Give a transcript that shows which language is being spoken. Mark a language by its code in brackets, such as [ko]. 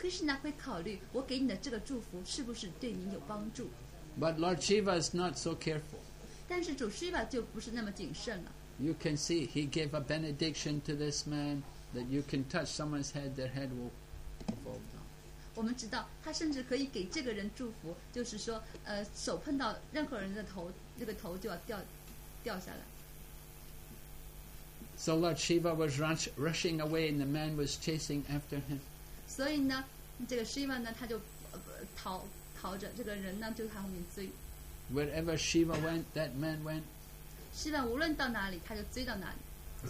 [zh] Krishna 会考虑我给你的这个祝福是不是对你有帮助。 [en] But Lord Shiva is not so careful. [zh] 但是主 Shiva 就不是那么谨慎了。 [en] You can see he gave a benediction to this man that you can touch someone's head, their head will fall down. [zh] 我们知道他甚至可以给这个人祝福，就是说，手碰到任何人的头，那个头就要掉下来。 [en] So Lord Shiva was rushing away and the man was chasing after him. [zh] 所以呢，这个 Shiva 呢，他就逃着，这个人呢就在后面追。 [en] Wherever Shiva went, that man went. [zh] Shiva 无论到哪里，他就追到哪里。